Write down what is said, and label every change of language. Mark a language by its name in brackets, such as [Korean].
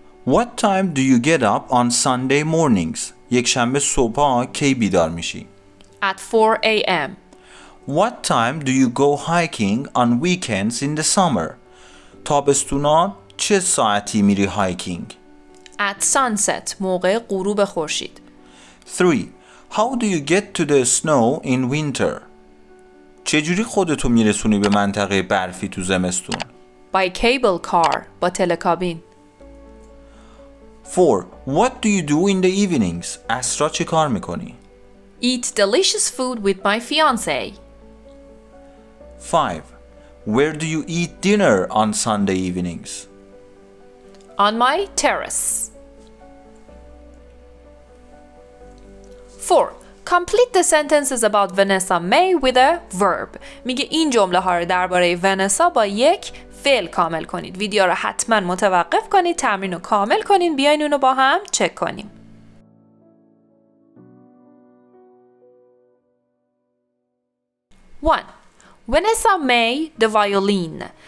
[English] What time do you get up on Sunday mornings? [Persian] یک شنبه صبح کی بیدار میشی؟ [English] At 4 a.m. What time do you go hiking on weekends in the summer? [Persian] تابستونا چه ساعتی میری هایکینگ؟ [English] At sunset, [Persian] موقع غروب خورشید. [English] 3. How do you get to the snow in winter? [Persian] چجوری خودتو میرسونی به منطقه برفی تو زمستون؟ [English] By cable car, [Persian] با تلکابین. [English] 4. What do you do in the evenings? [Persian] عصرا چه کار میکنی؟ [English] Eat delicious food with my fiancé. 5. Where do you eat dinner on Sunday evenings? On my terrace. 4. Complete the sentences about Vanessa May with a verb. [Persian] میگه این جمله ها رو درباره ونسا با یک فعل کامل کنید. ویدیو رو حتما متوقف کنید، تمرین رو کامل کنید، بیاین اون رو با هم چک کنیم. [English] One. Vanessa May the violin.